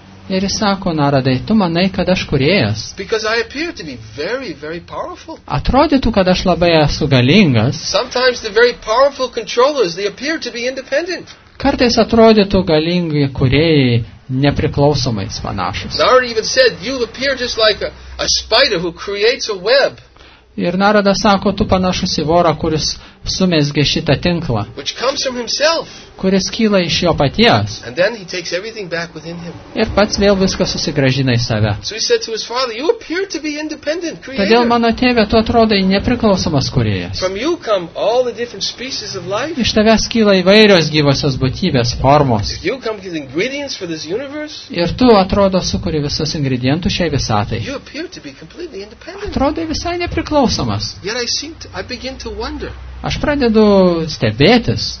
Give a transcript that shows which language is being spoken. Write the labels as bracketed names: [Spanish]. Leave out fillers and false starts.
[Lithuanian] Ir jis sako, Naradai, tu manai, kad aš kūrėjas. [English] Because I appear to be very, very powerful. [Lithuanian] Atrodytų, kad aš labai esu galingas. [English] Sometimes the very powerful controllers, they appear to be independent. [Lithuanian] Kartais atrodytų galingi kūrėjai nepriklausomais panašus. [English] Narada even said, you appear just like a spider who creates a web. [Lithuanian] Ir Narada sako, tu panašus į vorą, kuris sumezgė šitą tinklą. [English] Which comes from himself. [Lithuanian] kuris kyla iš jo paties. [English] And then he takes everything back within him. [Lithuanian] Ir pats vėl viską susigražina į save. [English] So he said to his father, you appear to be independent, creator. [Lithuanian] Todėl mano tėvė, tu atrodai nepriklausomas kūrėjas. [English] From you come all the different species of life. [Lithuanian] Iš tavęs kyla įvairios gyvosios būtybės formos. [English] You come with ingredients for this universe. [Lithuanian] Ir tu atrodo sukuri visus ingredientus šiai visatai. [English] You appear to be completely independent. [Lithuanian] Atrodai visai nepriklausomas. [English] Yet I begin to wonder. [Lithuanian] Aš pradedu stebėtis.